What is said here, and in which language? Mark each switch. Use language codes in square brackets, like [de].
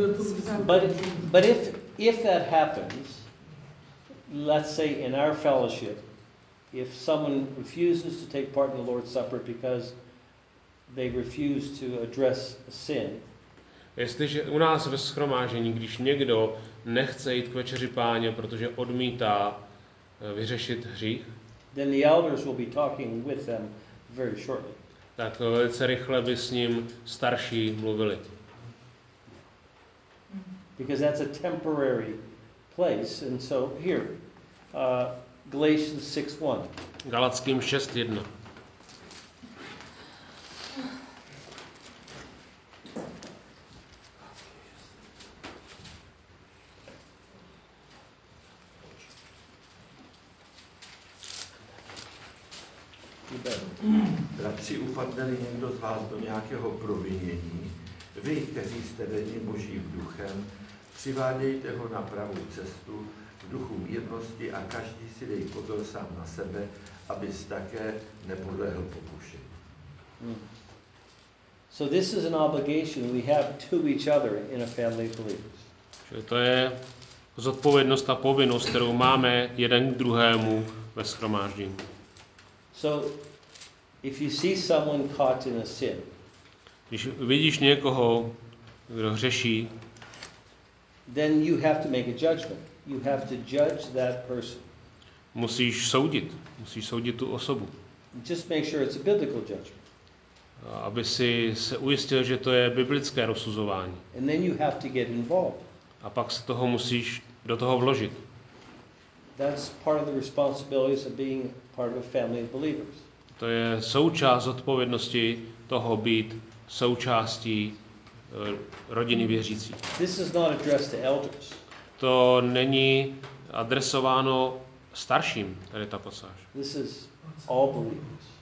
[en] But if that happens, let's say in our fellowship, if someone refuses to take part in the Lord's Supper because they refuse to address sin... [cs] Jestliže u nás ve shromážení, když někdo nechce jít k večeři Páně, protože odmítá vyřešit hřích, [en] then the elders will be talking with them very shortly. [cs] Tak velice rychle by s ním starší mluvili. [en] Because that's a temporary place, and so here, Galatians 6:1. [cs] Galatským 6:1. Bratři, upadne-li někdo z vás do nějakého provinění, vy, kteří jste vedeni Božím duchem, přivádějte ho na pravou cestu v duchu mírnosti a každý si dej pozor sám na sebe, abys také nepodlehl pokušení. [en] So this is an obligation we have to each other in a family of believers. [cs] Čili to je zodpovědnost a povinnost, kterou máme jeden k druhému ve shromáždění. [en] So if you see someone caught in a sin, [cs] když vidíš někoho, kdo hřeší, [en] then you have to make a judgment. You have to judge that person. [cs] Musíš soudit tu osobu. [en] Just make sure it's a biblical judgment. [cs] Aby si se ujistil, že to je biblické rozsuzování. [en] And then you have to get involved. [cs] A pak se toho musíš do toho vložit. [en] That's part of the responsibilities of being part of a family of believers. [cs] To je součást odpovědnosti toho být součástí rodiny věřících. [en] This is not addressed to elders. [cs] To není adresováno starším, tady ta pasáž. [en] This is all believers.